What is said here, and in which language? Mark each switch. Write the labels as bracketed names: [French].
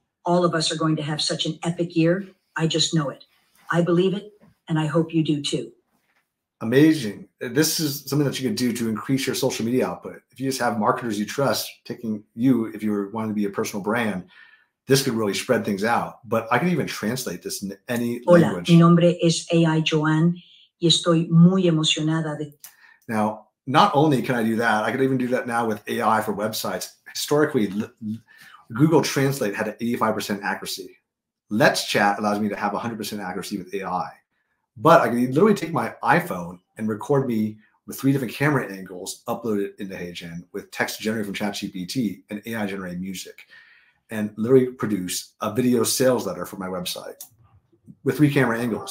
[English] All of us are going to have such an epic year. I just know it. I believe it, and I hope you do too. Amazing. This is something that you can do to increase your social media output. If you just have marketers you trust taking you, if you were wanting to be a personal brand, this could really spread things out. But I can even translate this in any language. [Spanish] Hola, mi nombre es AI Joanne, y estoy muy emocionada de... [English] Now, not only can I do that, I could even do that now with AI for websites. Historically, Google Translate had an 85% accuracy. Let's Chat allows me to have 100% accuracy with AI. But I can literally take my iPhone and record me with 3 different camera angles, upload it into HeyGen with text generated from ChatGPT and AI generated music, and literally produce a video sales letter for my website with 3 camera angles.